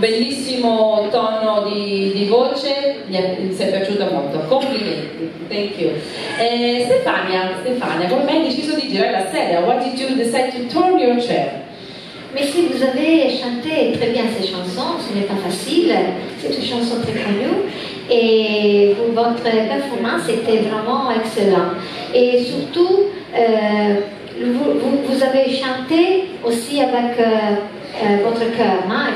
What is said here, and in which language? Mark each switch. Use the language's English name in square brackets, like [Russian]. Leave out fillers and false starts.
[Italian] Bellissimo tono di voce, mi è piaciuto molto. Complimenti. [English] Thank you. [Italian] Stefania, come hai deciso di girare la sedia? [English] What did you decide to turn your chair? [French] Mais si vous avez chanté très bien ces chansons, ce n'est pas facile. C'est une chanson très connue. Et votre performance était vraiment excellente. Et surtout, vous avez chanté aussi avec votre cœur, hein?